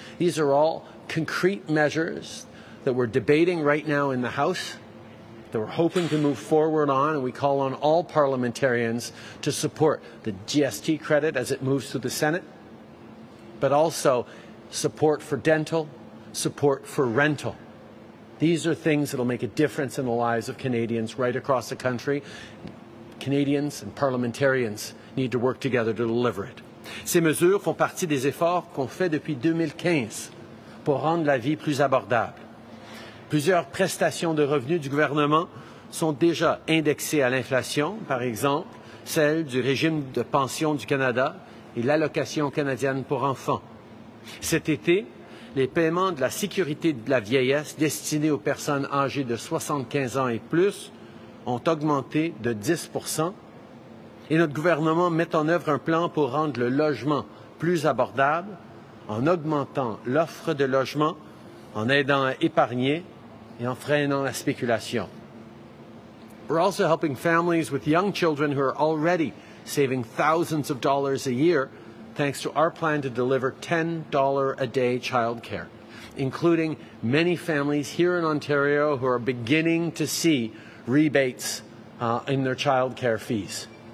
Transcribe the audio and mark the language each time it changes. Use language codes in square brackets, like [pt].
[en] These are all concrete measures that we're debating right now in the House, that we're hoping to move forward on, and we call on all parliamentarians to support the GST credit as it moves through the Senate, but also support for dental, support for rental. These are things that will make a difference in the lives of Canadians right across the country. Canadians and parliamentarians need to work together to deliver it. [fr] Ces mesures font partie des efforts qu'on fait depuis 2015 pour rendre la vie plus abordable. Plusieurs prestations de revenus du gouvernement sont déjà indexées à l'inflation, par exemple, celle du régime de pension du Canada et l'allocation canadienne pour enfants. Cet été, les paiements de la sécurité de la vieillesse destinés aux personnes âgées de 75 ans et plus ont augmenté de 10 % et notre gouvernement met en œuvre un plan pour rendre le logement plus abordable en augmentant l'offre de logements, en aidant à épargner et en freinant la spéculation. [en] We're also helping families with young children who are already saving thousands of dollars a year thanks to our plan to deliver $10 a day childcare, including many families here in Ontario who are beginning to see rebates in their childcare fees.